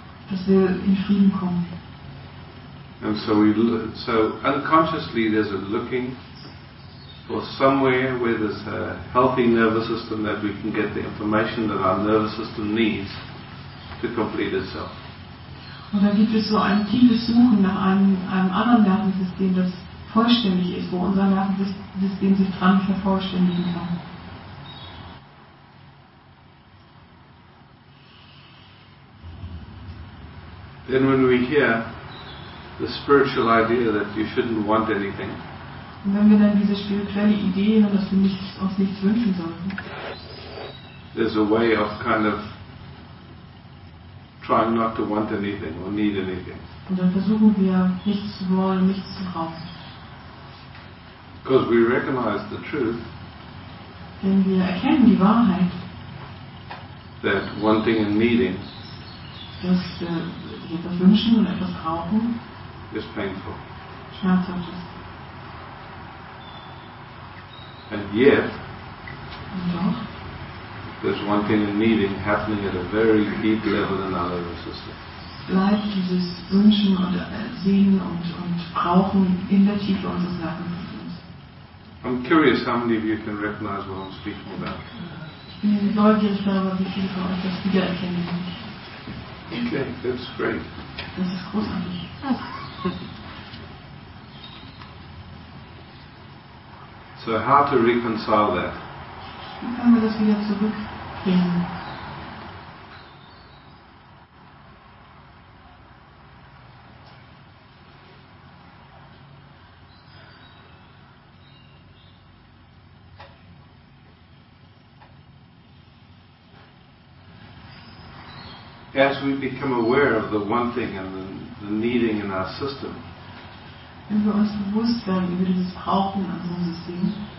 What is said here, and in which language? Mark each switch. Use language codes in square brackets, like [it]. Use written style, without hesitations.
[de] Dass wir in Frieden kommen. [en] And so we so unconsciously there's a looking for somewhere where there's a healthy nervous system that we can get the information that our nervous system needs to complete itself. [de] Und dann gibt es so ein tiefes Suchen nach einem anderen Nervensystem, das vollständig ist, wo unser Nervensystem sich dran vervollständigen kann. [en] Then when we hear the spiritual idea that you shouldn't want anything. [de] Und wenn wir dann diese spirituelle Idee hören, dass wir uns nichts wünschen sollten. [en] There's a way of kind of trying not to want anything or need anything. [de] Und dann versuchen wir nichts zu wollen, nichts zu brauchen. [en] Because we recognize the truth. [de] Denn wir erkennen die Wahrheit. [en] That wanting and needing. [de] Dass wir etwas wünschen und etwas brauchen. [en] Is painful. [de] Schmerzhaft ist. [en] And yet, [de] doch, [en] there's wanting and needing happening at a very deep level in our nervous system. [de] Bleibt dieses Wünschen und Sehen und Brauchen in der Tiefe unseres Nervensystems. [en] I'm curious how many of you can recognize what I'm speaking about. [de] Ich bin neugierig darüber, wie viele von euch das wiedererkennen. [en] Okay, that's great. [de] Das ist großartig. [en] So how to reconcile that? [de] Wie können wir das wieder zurückbringen? [en] As we become aware of the wanting and the needing in our system. [de] Wenn wir uns bewusst werden über dieses Brauchen an unserem System,